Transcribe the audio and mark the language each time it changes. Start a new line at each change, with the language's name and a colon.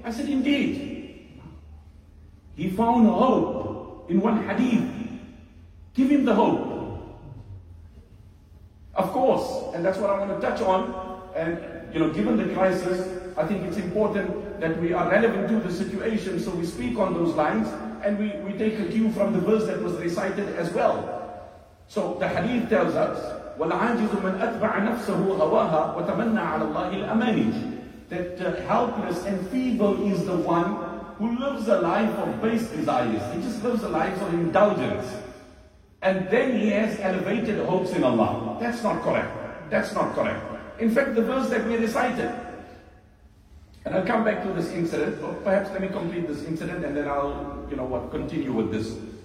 English: I said, indeed. He found hope in one hadith. Give him the hope. Of course, and that's what I want to touch on, and you know, given the crisis, I think it's important that we are relevant to the situation, so we speak on those lines, and we take a cue from the verse that was recited as well. So the hadith tells us,
Arabic: وَالْعَاجِزُ مَنْ أَتْبَعَ نَفْسَهُ هَوَاهَا وَتَمَنَّى عَلَى اللَّهِ الْأَمَانِجِ.
English: That helpless and feeble is the one who lives a life of base desires. He just lives a life of indulgence. And then he has elevated hopes in Allah. That's not correct. That's not correct. In fact, the verse that we recited, and I'll come back to this incident, but perhaps let me complete this incident and then I'll, you know what, continue with this.